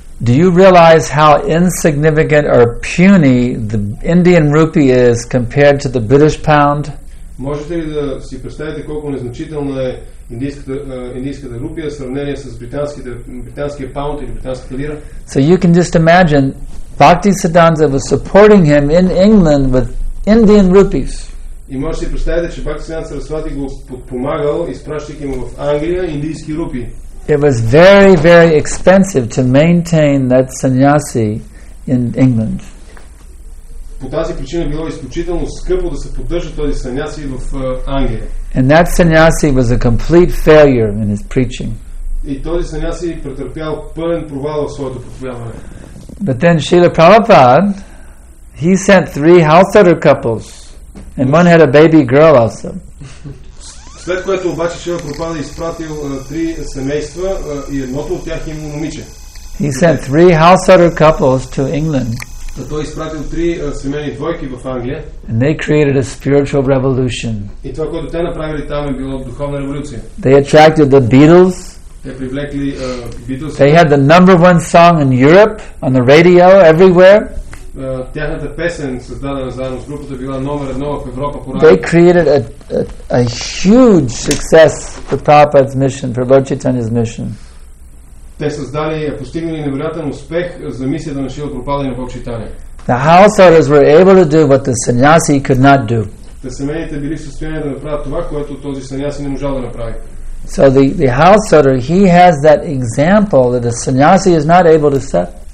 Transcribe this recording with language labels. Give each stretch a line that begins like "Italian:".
English: Do you realize how insignificant or puny the Indian rupee is compared to the British pound?
Bulgarian: Можете ли да си представите колко незначителна е индийската рупия в сравнение с британския паунд или британската лира?
English: So you can just imagine Bhakti Siddhanta was supporting him in England with Indian rupees.
Bulgarian: И можете си представите, че Бхакти Сиддханта Сарасвати го подпомагал, изпращайки му в Англия индийски рупи.
English: It was very, very expensive to maintain that sannyasi in England.
Bulgarian: По тази причина било изключително скъпо да се поддържа този сannyasi в Англия.
English: And that sannyasi was a complete failure in his preaching.
Bulgarian: И този сannyasi претърпял пълен провал в своето проповядване.
English: But then Srila Prabhupada, he sent three householder couples, and one had a baby girl also.
Bulgarian: След което обаче Шрила Прабхупада изпратил три семейства и едното от тях има момиче.
English: He sent three householder couples to England.
Bulgarian: Той изпратил три семейни двойки в Англия.
English: And they created a spiritual revolution.
Bulgarian: И това, което те направили там, е било духовна революция.
English: They attracted the Beatles.
Bulgarian: Те привлекли Beatles.
English: They had the number one song in Europe on the radio everywhere.
Bulgarian: Тяхната песен, създадена заедно с групата, била номер едно в Европа по радио.
English: They created a huge success for Prabhupada's mission, for Lord Chaitanya's mission.
Bulgarian: Те създали и постигнали невероятен успех за мисията на Шрила Прабхупада и на Бог Чайтанья.
English: The householders were able to do what the sannyasi could not do.
Bulgarian: Те семейните били в състояние да направят това, което този sannyasi не можал да направи.
English: So the householder, he has that example that the sannyasi is not able to set.